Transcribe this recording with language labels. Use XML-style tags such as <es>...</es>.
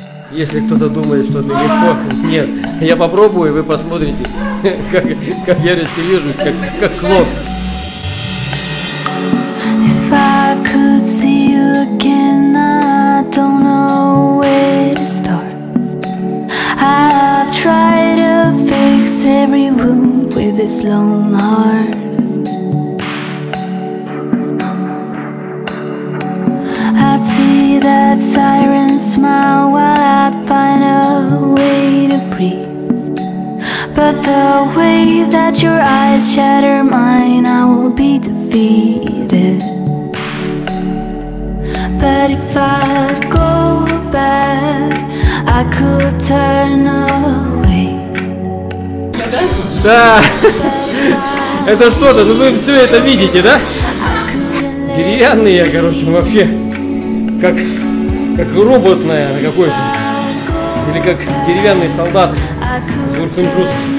<ru>Если кто-то думает, что это легко, нет, я попробую, и вы посмотрите, как я растележусь, как слон.</ru> <en>If I could see you again, I don't know where to start. I've tried to fix every wound with this lone heart. That siren smile while I'd find a way to breathe. But the way that your eyes shatter mine, I will be defeated. But if I'd go back, I could turn away.</en> <ru>Да, это что-то, ну вы все это видите, да? Деревянные, короче, вообще. Как роботная какой-то, или как деревянный солдат из Урфинджус.</ru>